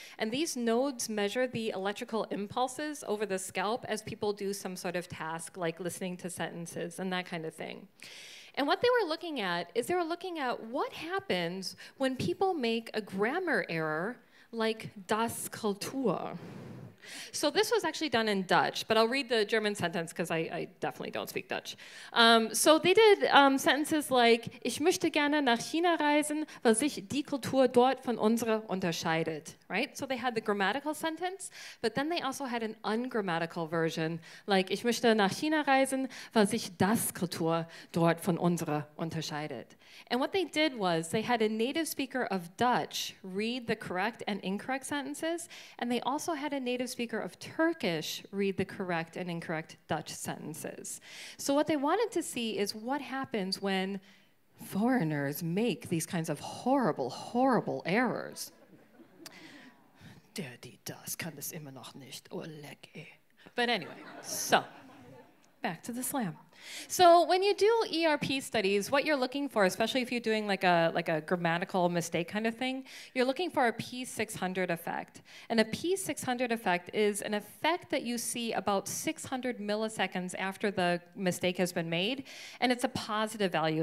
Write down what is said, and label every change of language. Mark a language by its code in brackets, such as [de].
[en] And these nodes measure the electrical impulses over the scalp as people do some sort of task like listening to sentences and that kind of thing. And what they were looking at is they were looking at what happens when people make a grammar error like das Kultur. So this was actually done in Dutch, but I'll read the German sentence because I definitely don't speak Dutch. So they did sentences like, ich möchte gerne nach China reisen, weil sich die Kultur dort von unserer unterscheidet, right? So they had the grammatical sentence, but then they also had an ungrammatical version, like, ich möchte nach China reisen, weil sich das Kultur dort von unserer unterscheidet. And what they did was they had a native speaker of Dutch read the correct and incorrect sentences, and they also had a native speaker of Turkish read the correct and incorrect Dutch sentences. So what they wanted to see is what happens when foreigners make these kinds of horrible, horrible errors. [de] Daddy das kann das immer noch nicht. Oh, leck, eh. [en] But anyway, so back to the slam. So when you do ERP studies, what you're looking for, especially if you're doing like a grammatical mistake kind of thing, you're looking for a P600 effect. And a P600 effect is an effect that you see about 600 milliseconds after the mistake has been made, and it's a positive value.